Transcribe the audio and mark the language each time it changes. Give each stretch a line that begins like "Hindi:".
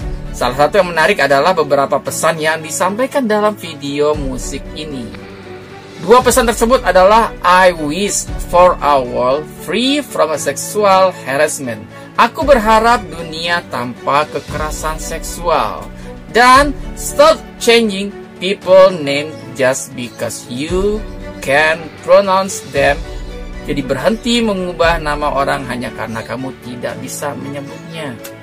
Indonesian: Salah satu yang menarik adalah beberapa pesan yang disampaikan dalam video musik ini. Dua pesan tersebut adalah,
English: I wish for a world free from sexual harassment.
Indonesian: Aku berharap dunia tanpa kekerasan seksual. Dan
English: stop changing people name just because you can pronounce them.
Indonesian: Jadi berhenti mengubah nama orang hanya karena kamu tidak bisa menyebutnya.